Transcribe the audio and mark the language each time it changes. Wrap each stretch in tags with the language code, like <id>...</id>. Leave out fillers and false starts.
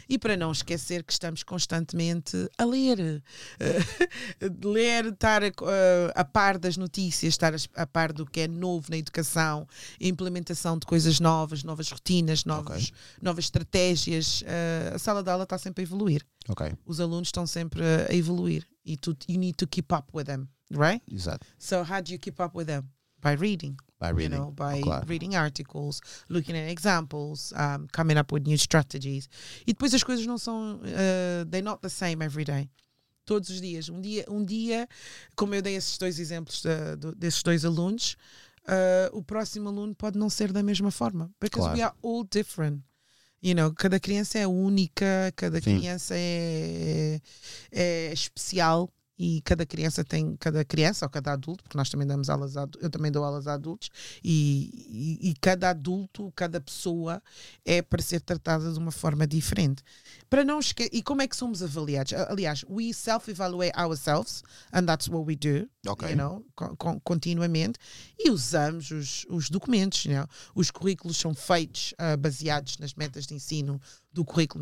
<pt>E para não esquecer que estamos constantemente a ler. Ler, estar a par das notícias, estar a par do que é novo na educação, implementação de coisas novas, novas rotinas, novas estratégias. A sala de aula está sempre a evoluir.</pt> <en>Okay.</en> <pt>Os alunos estão sempre a evoluir. E tu,</pt> <en>you need to keep up with them, right?</en> <pt>Exato.</pt> <en>So how do you keep up with them? By reading. By reading, you know, by reading articles, looking at examples, coming up with new strategies.</en> <pt>E depois as coisas não são,</pt> <en>they're not the same every day.</en> <pt>Todos os dias. Um dia, como eu dei esses dois exemplos desses dois alunos, o próximo aluno pode não ser da mesma forma.</pt> <en>Because we are all different.</en> <pt>You know, cada criança é única, cada criança é especial. E cada criança tem, cada criança ou cada adulto, porque nós também damos aulas a, eu também dou aulas a adultos, e cada adulto, cada pessoa é para ser tratada de uma forma diferente. Para não esquecer, e como é que somos avaliados?</pt> <en>Aliás, we self-evaluate ourselves, and that's what we do, okay.</en> <pt>You know, continuamente, e usamos os documentos, you know? Os currículos são feitos baseados nas metas de ensino do currículo.</pt>